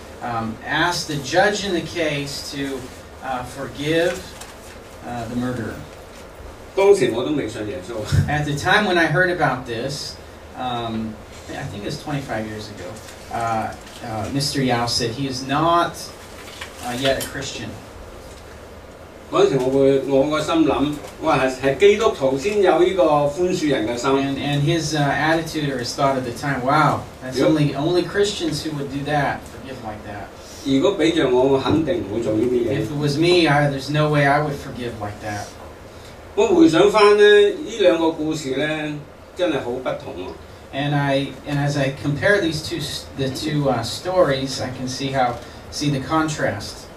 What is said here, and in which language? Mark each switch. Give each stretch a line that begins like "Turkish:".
English: ask the judge in the case to forgive the murderer.
Cantonese: 當時我都未信耶穌。
English: At the time when I heard about this, I think it was 25 years ago, Mr. Yao said he is not yet a Christian.
Cantonese: 嗰陣時我個心諗，我係基督徒先有呢個寬恕人嘅心。
English: And his attitude or his thought at the time, wow, that's only Christians who would do that, forgive like that.
Cantonese: 如果俾著我，我肯定唔會做呢啲嘢。
English: If it was me, there's no way I would forgive like that.
Cantonese: 我回想翻咧，呢兩個故事咧，真係好不同喎。
English: And as I compare these two, the two stories, I can see the contrast.